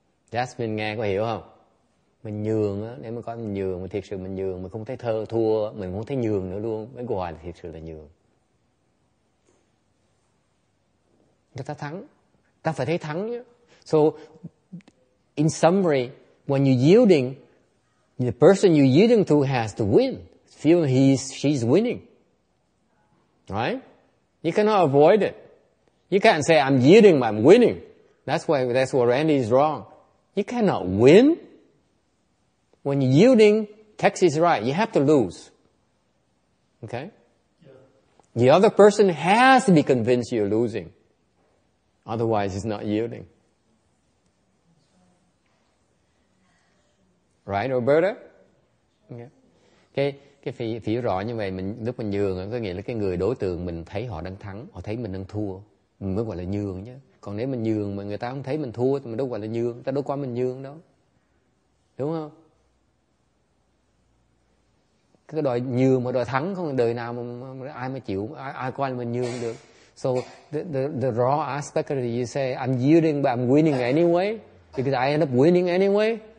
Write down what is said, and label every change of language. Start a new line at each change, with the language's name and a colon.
Vietnamese: Jasmine nghe có hiểu không? Mình nhường á, nếu mà có mình nhường, mà thiệt sự mình nhường, mình không thấy thua, mình không thấy nhường nữa luôn, mới gọi là thiệt sự là nhường. Ta thắng, ta phải thấy thắng chứ.
English: So, in summary, when you're yielding, the person you're yielding to has to win. Feel she's winning. Right? You cannot avoid it. You can't say, I'm yielding, but I'm winning. That's what Randy is wrong. You cannot win. When you're yielding, Tex is right. You have to lose. Okay? Yeah. The other person has to be convinced you're losing. Otherwise, it's not yielding. Right, Roberta? Yeah.
Vietnamese: Cái phải hiểu rõ như vậy, mình lúc mình nhường có nghĩa là cái người đối tượng mình thấy họ đang thắng, họ thấy mình đang thua, mình mới gọi là nhường chứ. Còn nếu mình nhường mà người ta không thấy mình thua thì mình đâu gọi là nhường, ta đâu có mình nhường đâu. Đúng không? Cái đòi nhường mà đòi thắng không đời nào mà ai mà chịu, ai coi mình nhường được.
English: So the raw aspect of it, you say, I'm yielding, but I'm winning anyway, because I end up winning anyway.